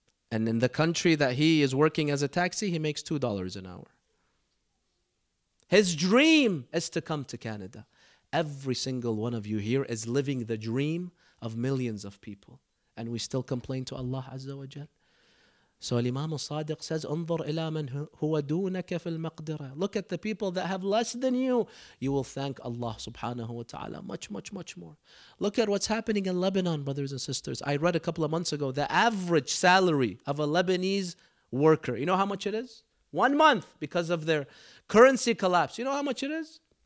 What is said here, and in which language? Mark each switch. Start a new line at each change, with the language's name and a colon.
English: And in the country that he is working as a taxi, he makes $2 an hour. His dream is to come to Canada. Every single one of you here is living the dream of millions of people. And we still complain to Allah Azza wa Jal. So Imam al-Sadiq says,
Arabic: انظر إلى من هو دونك في المقدرة.
English: Look at the people that have less than you. You will thank Allah subhanahu wa ta'ala much, much, much more. Look at what's happening in Lebanon, brothers and sisters. I read a couple of months ago, the average salary of a Lebanese worker, you know how much it is? 1 month because of their currency collapse. You know how much it is?